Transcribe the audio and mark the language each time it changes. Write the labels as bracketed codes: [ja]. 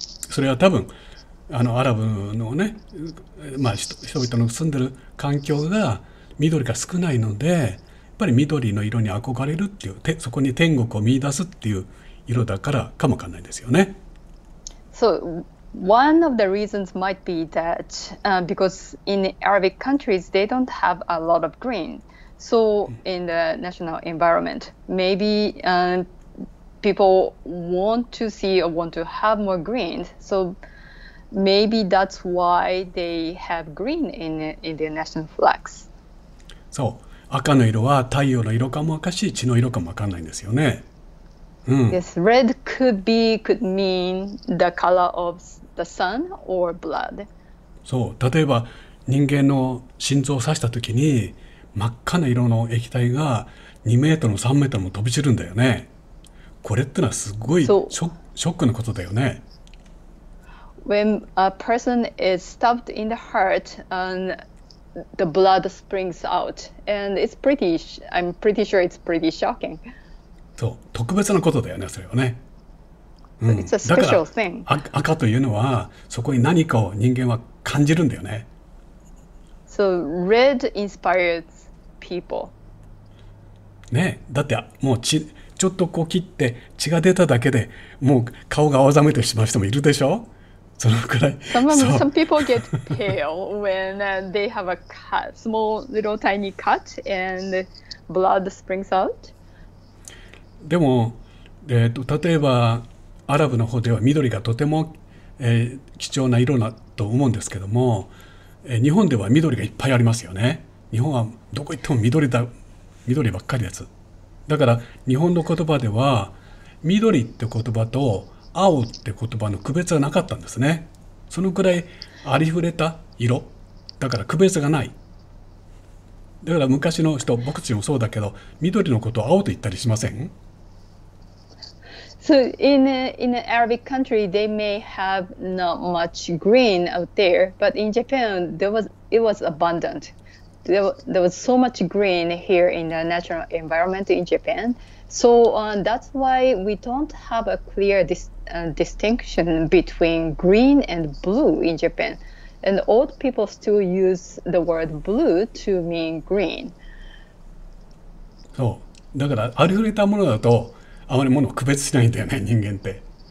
[ja] それは多分アラブのね、まあ、人々の住んでる環境が緑が少ないので、やっぱり緑の色に憧れるっていう、そこに天国を見出すっていう色だからかもわかんないですよね。 [en] So, one of the reasons might be that because in Arabic countries they don't have a lot of green. So, in the national environment, maybe people want to see or want to have more green. So, maybe that's why they have green in their national flags. [ja] そう、赤の色は太陽の色かも赤し、血の色かも分かんないんですよね。 [en] Yes, red could mean the color of the sun or blood. [ja] そう、例えば人間の心臓を刺した時に真っ赤な色の液体が2メートルも3メートルも飛び散るんだよね。これってのはすごい [en] So, [ja] ショックなことだよね。 [en] when a person is stabbed in the heart, the blood springs out, and I'm pretty sure it's pretty shocking. [ja] 特別なことだよね、それはね。 [en] It's a [ja] だ [en] special [ja] から [en] thing. [ja] 赤というのはそこに何かを人間は感じるんだよね。 [en] So, red inspires people. [ja] ね、だってもうちょっとこう切って血が出ただけでもう顔が青ざめてしまう人もいるでしょ、そのくらい。そう [en] Some people get pale when they have a cut, small little tiny cut and blood springs out. [ja] でも、例えばアラブの方では緑がとても、貴重な色だと思うんですけども、日本では緑がいっぱいありますよね。日本はどこ行っても緑ばっかりです。だから日本の言葉では緑って言葉と青って言葉の区別はなかったんですね。そのくらいありふれた色だから区別がない。だから昔の人、僕たちもそうだけど、緑のことを青と言ったりしません？ [en] So in Arabic country, they may have not much green out there, but in Japan, it was abundant. there was so much green here in the natural environment in Japan. So that's why we don't have a clear distinction between green and blue in Japan. And old people still use the word blue to mean green. [ja] そう。だからありふれたものだとあまりものを区別しないんだよね、人間って。